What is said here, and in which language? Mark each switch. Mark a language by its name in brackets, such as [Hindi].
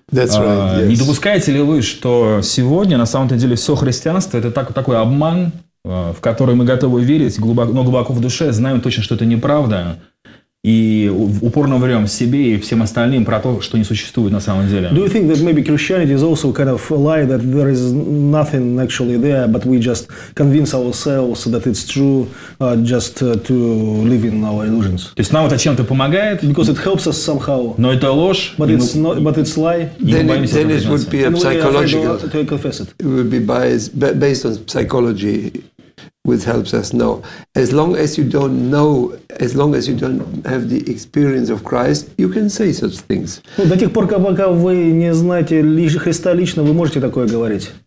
[English] That's right. Yes. [Russian] Не допускаете ли вы, что сегодня на самом-то деле все христианство это такой обман, в который мы готовы верить, глубоко в душе знаем точно, что это неправда? И упорно врём себе и всем остальным про то, что не существует на самом деле. [English] Do you think that maybe Christianity is also kind of a lie, that there is nothing actually there, but we just convince ourselves that it's true, just to live in our illusions? [Russian] То есть нам это чем-то помогает? [English] Because it helps us somehow. [Russian] Но это ложь. [English] But it's not. But it's lie. Then it would be a psychological. To confess it. It would be based on psychology. Which helps us know. As long as you don't know, as long as you don't have the experience of Christ, you can say such things. [Russian] Ну, до тех пор, пока вы не знаете Христа лично, вы можете такое говорить.